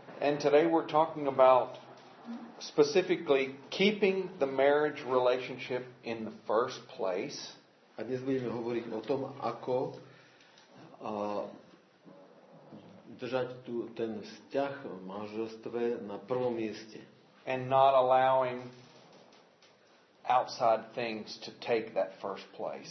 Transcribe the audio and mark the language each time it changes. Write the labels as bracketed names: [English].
[English] And today we're talking about specifically keeping the marriage relationship in the first place. [Slovak] A dnes budeme hovoriť o tom, ako držať tu ten vzťah v manželstve na prvom mieste. [English] And not allowing outside things to take that first place.